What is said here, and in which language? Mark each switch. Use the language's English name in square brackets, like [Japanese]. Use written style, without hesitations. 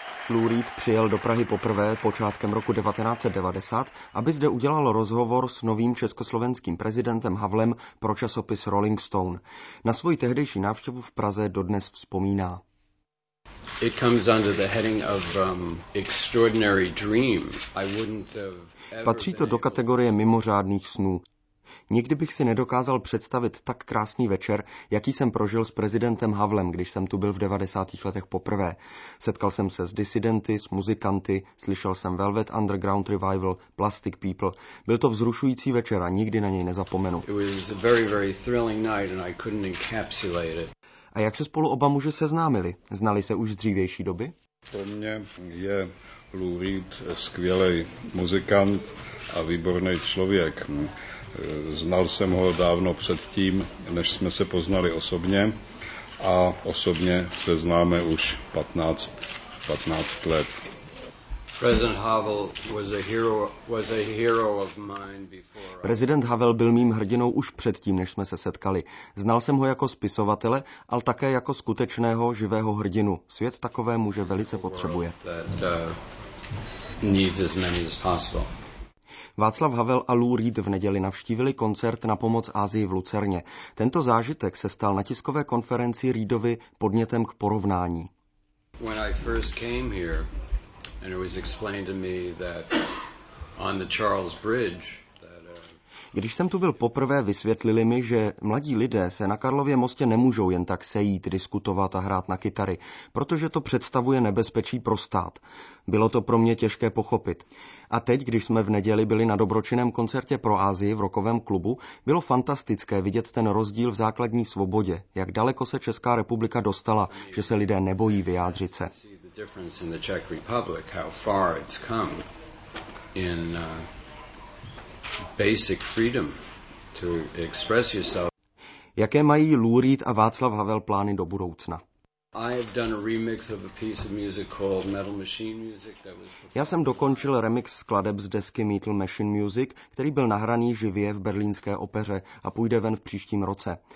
[Czech] Lou Reed přijel do Prahy poprvé počátkem roku 1990, aby zde udělal rozhovor s novým československým prezidentem Havlem pro časopis Rolling Stone. Na svoji tehdejší návštěvu v Praze dodnes vzpomíná. [English] It comes under the heading of extraordinary dream. I wouldn't have ever. [Czech] Patří to do kategorie mimořádných snů. Nikdy bych si nedokázal představit tak krásný večer, jaký jsem prožil s prezidentem Havlem, když jsem tu byl v 90. letech poprvé. Setkal jsem se s disidenty, s muzikanty, slyšel jsem Velvet Underground Revival, Plastic People. Byl to vzrušující večer a nikdy na něj nezapomenu. [English] It was a very, very thrilling night and I couldn't encapsulate it. [Czech] A jak se spolu oba muže seznámili? Znali se už z dřívější doby? Pro mě je Lou Reed skvělý muzikant a výborný člověk. Znal jsem ho dávno předtím, než jsme se poznali osobně a osobně se známe už 15 let. Prezident Havel byl mým hrdinou už předtím, než jsme se setkali. Znal jsem ho jako spisovatele, ale také jako skutečného živého hrdinu. Svět takové muže velice potřebuje. Václav Havel a Lou Reed v neděli navštívili koncert Na pomoc Asii v Lucerně. Tento zážitek se stal na tiskové konferenci Reedovi podnětem k porovnání. [English] When I first came here, and it was explained to me that on the Charles Bridge. [Czech] Když jsem tu byl poprvé, vysvětlili mi, že mladí lidé se na Karlově mostě nemůžou jen tak sejít, diskutovat a hrát na kytary, protože to představuje nebezpečí pro stát. Bylo to pro mě těžké pochopit. A teď, když jsme v neděli byli na dobročinném koncertě pro Asii v rockovém klubu, bylo fantastické vidět ten rozdíl v základní svobodě, jak daleko se Česká republika dostala, že se lidé nebojí vyjádřit se. [English] Basic freedom to express yourself. [Czech] Jaké mají Lou Reed a Václav Havel plány do budoucna? Já jsem dokončil remix skladeb z desky Metal Machine Music, který byl nahraný živě v berlínské opeře a půjde ven v příštím roce.